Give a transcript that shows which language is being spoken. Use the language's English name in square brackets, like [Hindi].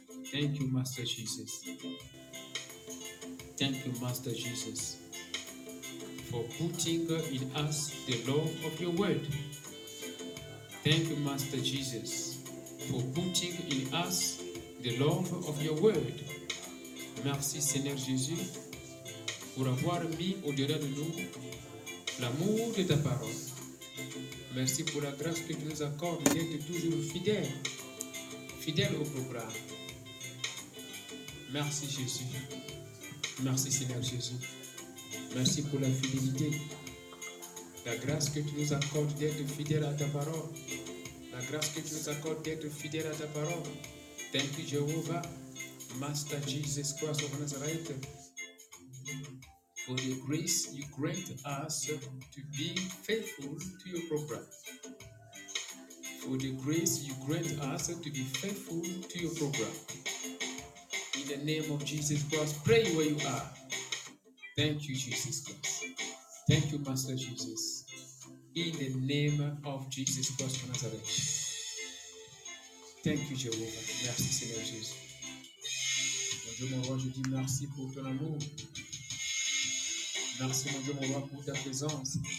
[English] Thank you, Master Jesus. Thank you, Master Jesus, for putting in us the law of your word. Thank you, Master Jesus, for putting in us the love of your word. [French] Merci, Seigneur Jésus, pour avoir mis au-delà de nous l'amour de ta parole. Merci pour la grâce que tu nous accordes d'être toujours fidèle, fidèle au programme. Merci, Jésus. Merci, Seigneur Jésus. Merci pour la fidélité, la grâce que tu nous accordes d'être fidèle à ta parole. La grâce que tu nous accordes d'être fidèle à ta parole. [English] Thank you, Jehovah, Master Jesus Christ of Nazareth. For your grace, you grant us to be faithful to your program. For the grace, you grant us to be faithful to your program. In the name of Jesus Christ, pray where you are. Thank you, Jesus Christ. Thank you, Master Jesus. In the name of Jesus Christ of Nazareth. Thank you, Jehovah. [French] Merci, Seigneur Jésus. Mon Dieu, mon roi, je dis merci pour ton amour. Merci, mon Dieu, mon roi, pour ta présence.